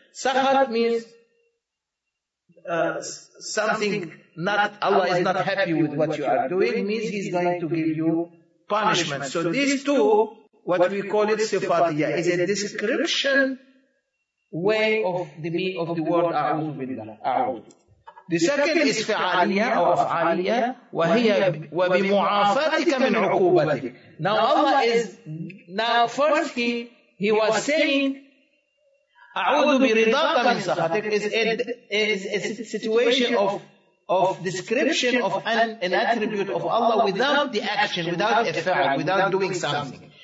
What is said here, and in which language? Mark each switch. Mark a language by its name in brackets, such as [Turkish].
[English] Sakhat means something not, Allah is not happy with what you are doing, means He's going to give you punishment. So these two, what we call it sifatiyah, is a description way of the meaning of the word [Arabic] أعوذ بالله. [English] The second is [Arabic] فعاليه أو أفعاليه, وهي وبمعافاتك من عقوبتك. [English] Now Allah is, now first he was saying [Arabic] أعوذ برضاك من سخطك, [English] is a situation of description of an attribute of Allah without the action, without a fa'al, without doing something.